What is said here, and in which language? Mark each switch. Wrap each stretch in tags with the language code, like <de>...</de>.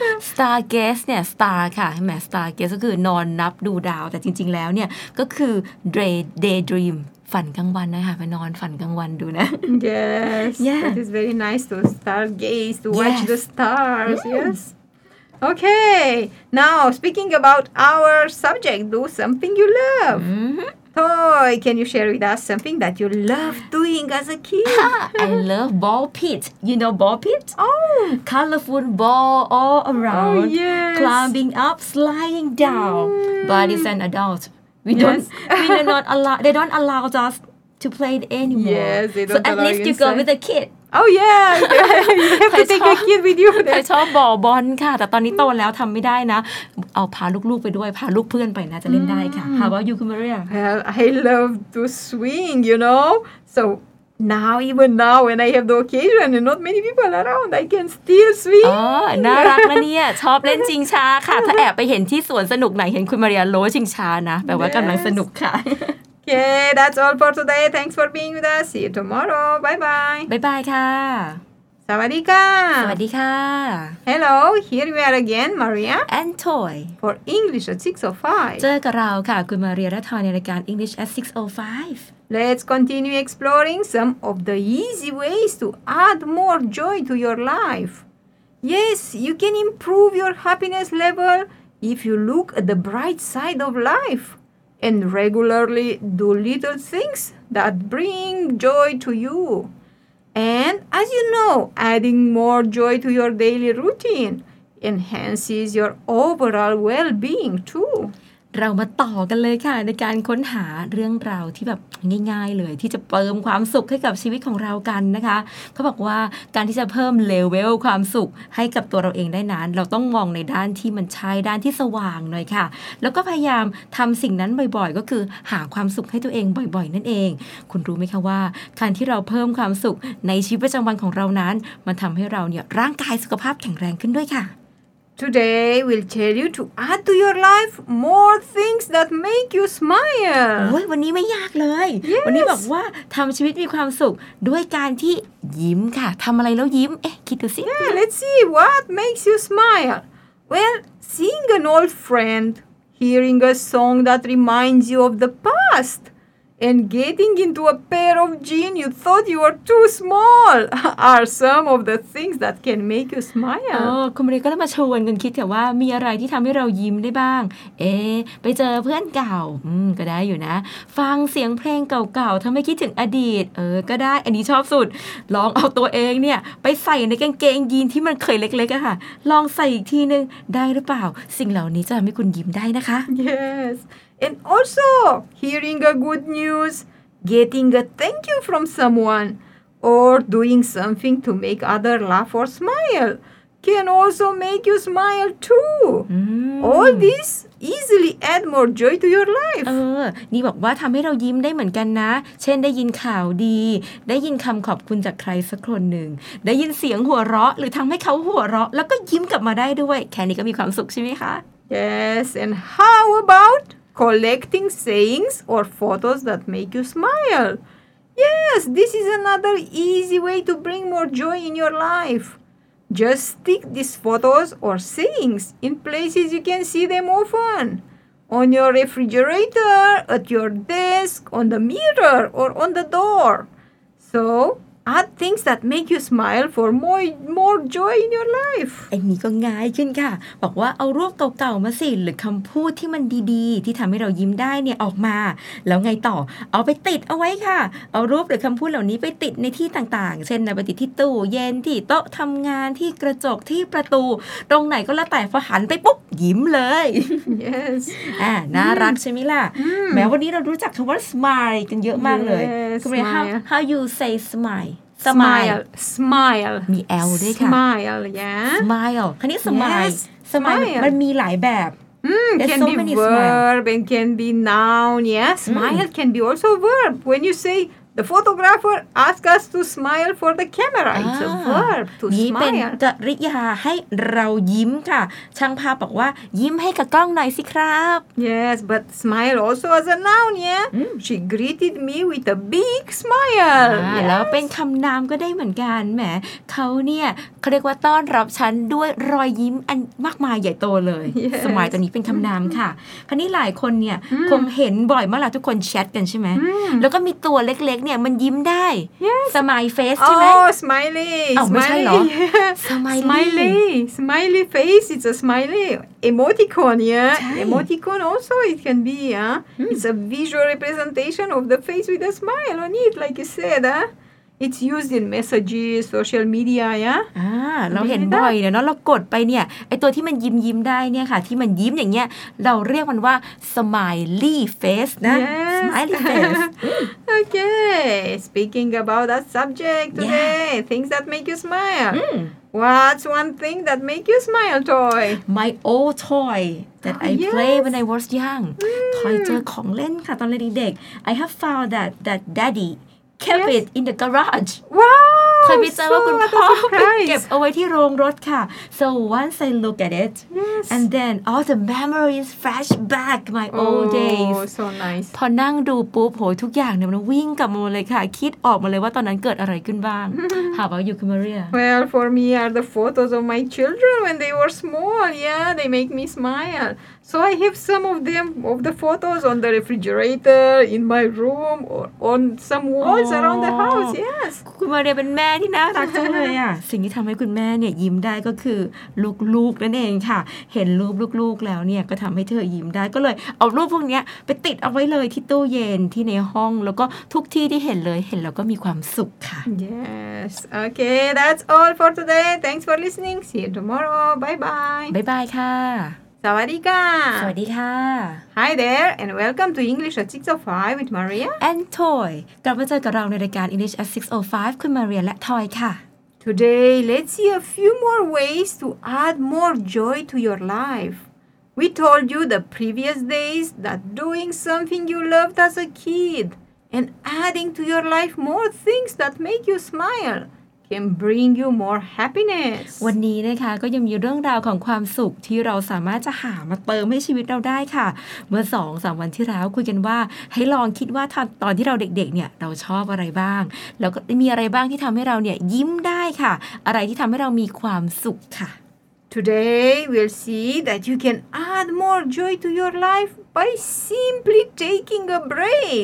<th>Stargaze เนี่ย star ค่ะใช่มั้ย Stargaze ก็คือนอนนับดูดาวแต่จริงๆแล้วเนี่ยก็คือ daydream ฝันกลางวันนะคะไปนอนฝันกลางวันดูนะ</th> <en>Yes. Yeah. It is very nice to stargaze to watch yes. the stars. Mm. Yes. Okay. Now speaking about our subject, do something you love. Mm-hmm. Toy, can you share with us something that you love doing as a kid? I love ball pit. You know ball pit? Oh! Colorful ball all around. Oh, yes. Climbing up, sliding down. Mm. But it's an adult. We yes. don't, we are not allowed, they don't allow us to play it anymore. Yes, they don't so allow So at least you inside. Go with a kid. Oh, yeah. You have to take a kid with you. I love ball ball, but now it's old, so I can't do it. I'll take my kids with me. I'll take my How about you, Maria? Well, I love to swing, you know? So now, even now, when I have the occasion and not many people around, I can still swing.</en> <th>Oh, น่ารักนะเนี่ยชอบเล่นชิงช้าค่ะถ้าแอบไปเห็นที่สวนสนุกไหนเห็นคุณมาริอาโลชิงช้านะแปลว่ากำลังสนุกค่ะ</th> <en>Okay, that's all for today. Thanks for being with us. See you tomorrow. Bye-bye. Bye-bye, ค่ะ</en> <th>สวัสดีค่ะ สวัสดีค่ะ</th> <en>Hello, here we are again, Maria. And Toy. For English at 6:05.</en> <th>เจอกับเราค่ะคุณมาริอาและทอยในรายการ English at 6:05.</th> <en>Let's continue exploring some of the easy ways to add more joy to your life. Yes, you can improve your happiness level if you look at the bright side of life. And regularly do little things that bring joy to you. And as you know, adding more joy to your daily routine enhances your overall well-being too.</en> <th>เรามาต่อกันเลยค่ะในการค้นหาเรื่องราวที่แบบง่ายๆเลยที่จะเติมความสุขให้กับชีวิตของเรากันนะคะเขาบอกว่าการที่จะเพิ่มเลเวลความสุขให้กับตัวเราเองได้นั้นเราต้องมองในด้านที่มันใช่ด้านที่สว่างหน่อยค่ะแล้วก็พยายามทำสิ่งนั้นบ่อยๆก็คือหาความสุขให้ตัวเองบ่อยๆนั่นเองคุณรู้ไหมคะว่าการที่เราเพิ่มความสุขในชีวิตประจำวันของเรานั้นมันทำให้เราเนี่ยร่างกายสุขภาพแข็งแรงขึ้นด้วยค่ะ</th> <en>Today, we'll tell you to add to your life more things that make you smile.</en> <th>โอ้ยวันนี้ไม่ยากเลย</th> <en>yes.</en> <th>วันนี้บอกว่าทำชีวิตมีความสุขด้วยการที่ยิ้มค่ะทำอะไรแล้วยิ้มเอ๊ะคิดดูสิ</th> <en>Yeah, let's see what makes you smile. Well, seeing an old friend, hearing a song that reminds you of the past, and getting into a pair of jeans you thought you were too small are some of the things that can make you smile.</en> <th>Oh, คุณมาริอาก็เลยมาชวนกันคิดแต่ว่ามีอะไรที่ทำให้เรายิ้มได้บ้างเอ๊ไปเจอเพื่อนเก่าก็ได้อยู่นะฟังเสียงเพลงเก่าๆทำให้คิดถึงอดีตเออก็ได้อันนี้ชอบสุดลองเอาตัวเองเนี่ยไปใส่ในกางเกงยีนที่มันเคยเล็กๆอะค่ะลองใส่อีกทีนึงได้หรือเปล่าสิ่งเหล่านี้จะทำให้คุณยิ้มได้นะคะ</th> <en>Yes. And also, hearing a good news, getting a thank you from someone, or doing something to make others laugh or smile can also make you smile too. Mm. All this easily add more joy to your life.</en> <th>นี่บอกว่าทำให้เรายิ้มได้เหมือนกันนะเช่นได้ยินข่าวดีได้ยินคำขอบคุณจากใครสักคนหนึ่งได้ยินเสียงหัวเราะหรือทำให้เขาหัวเราะแล้วก็ยิ้มกลับมาได้ด้วยแค่นี้ก็มีความสุขใช่ไหมคะ</th> <en>Yes, and how aboutCollecting sayings or photos that make you smile. Yes, this is another easy way to bring more joy in your life. Just stick these photos or sayings in places you can see them often. On your refrigerator, at your desk, on the mirror, or on the door. So... Add things that make you smile for more joy in your life.</en> <th>อันนี้ก็ง่ายขึ้นค่ะบอกว่าเอารูปเก่าๆมาสิหรือคำพูดที่มันดีๆที่ทำให้เรายิ้มได้เนี่ยออกมาแล้วไงต่อเอาไปติดเอาไว้ค่ะเอารูปหรือคำพูดเหล่านี้ไปติดในที่ต่างๆเช่นไปติดที่ตู้เย็นที่โต๊ะทำงานที่กระจกที่ประตูตรงไหนก็แล้วแต่พอหันไปปุ๊บยิ้มเลย</th> <en>Yes.</en> <th>น่ารักใช่ไหมล่ะ แม้วันนี้เรารู้จักคำว่า smile กันเยอะมากเลย</th> <en>Smile. How you say smile Smile</en> <th>มี L ด้วยค่ะ</th> <en>Smile yeah Smile คันนี้ smile. Yes.</en> <th>smile มันมีหลายแบบ</th> <en>can be verb and can be noun yeah Smile can be also verb when you say The photographer asks us to smile for the camera. It's a verb, to smile.</en> <th>นี่เป็นกริยาให้เรายิ้มค่ะช่างภาพบอกว่ายิ้มให้กับกล้องหน่อยสิครับ</th> <en>Yes, but smile also as a noun, yeah? She greeted me with a big smile. Yes.</en> <th>แล้วเป็นคำนามก็ได้เหมือนกันแหมเขาเนี่ยเขาเรียกว่าต้อนรับฉันด้วยรอยยิ้มอันมากมายใหญ่โตเลย</th> <en>yes.</en> <th>Smile ตัวนี้เป็นคำนามค่ะคราวนี้หลายคนเนี่ยคงเห็นบ่อยมากล่ะทุกคนแชทกันใช่ไห ม แล้วก็มีตัวเล็กๆเนี่ยมันยิ้มได้</th> <en>yes. smile face oh,</en> <th>ใช่ไหม</th> <en>oh smiley</en> <th>ไม่ใช่หรอ smiley.</th> <en>smiley smiley face it's a smiley emoticon yeah emoticon also it can be it's a visual representation of the face with a smile on it like you said It's used in messages, social media,</en> <th>เราเห็นบ่อยเนาะเรากดไปเนี่ยไอตัวที่มันยิ้มได้เนี่ยค่ะที่มันยิ้มอย่างเงี้ยเราเรียกมันว่า smiley face นะ</th> <en>yes. smiley face okay speaking about that subject today yeah. things that make you smile what's one thing that make you smile toy my old toy that I yes. play when I was young toy</en> <th>เจอของเล่นค่ะตอนเด็ก</th> <en>I have found that daddyKept yes. it in the garage. Wow!</en> <th>เคยไปเจอว่าคุณพ่อเก็บเอาไว้ที่โรงรถค่ะ</th> <en>So once I look at it, yes. and then all the memories flash back my old days. Oh, so nice.</en> <th>พอนั่งดูปุ๊บโหทุกอย่างเนี่ยมันวิ่งกลับมาเลยค่ะคิดออกมาเลยว่าตอนนั้นเกิดอะไรขึ้นบ้าง</th> <en>How about you, Kimaria? Well, for me are the photos of my children when they were small. Yeah, they make me smile. So I have some of them, of the photos on the refrigerator, in my room, or on some wallAround the house, yes.</en> <th>คุณมาเรียเป็นแม่ที่น่ารักจังเลยอ่ะสิ่งที่ทำให้คุณแม่เนี่ยยิ้มได้ก็คือลูกๆนั่นเองค่ะเห็นรูปลูกๆแล้วเนี่ยก็ทำให้เธอยิ้มได้ก็เลยเอารูปพวกนี้ไปติดเอาไว้เลยที่ตู้เย็นที่ในห้องแล้วก็ทุกที่ที่เห็นเลยเห็นแล้วก็มีความสุขค่ะ</th> <en>Yes. Okay. That's all for today. Thanks for listening. See you tomorrow. Bye bye. Bye bye ค่ะ</en> <th>สวัสดีค่ะ สวัสดีค่ะ</th> <en>Hi there and welcome to English at 605 with Maria</en> <th>and Toy กลับมาเจอกับเราในรายการ English at 605คุณ Maria และ Toy ค่ะ</th> <en>Today let's see a few more ways to add more joy to your life We told you the previous days that doing something you loved as a kid and adding to your life more things that make you smileCan bring you more happiness.</en> <th>วันนี้นะคะก็ยังมีเรื่องราวของความสุขที่เราสามารถจะหามาเติมให้ชีวิตเราได้ค่ะเมื่อ 2-3 วันที่แล้วคุยกันว่าให้ลองคิดว่าตอนที่เราเด็กๆเนี่ยเราชอบอะไรบ้างแล้วก็มีอะไรบ้างที่ทำให้เราเนี่ยยิ้มได้ค่ะอะไรที่ทำให้เรามีความสุขค่ะ</th> <en>Today we'll see that you can add more joy to your lifeBy simply taking a break.</en>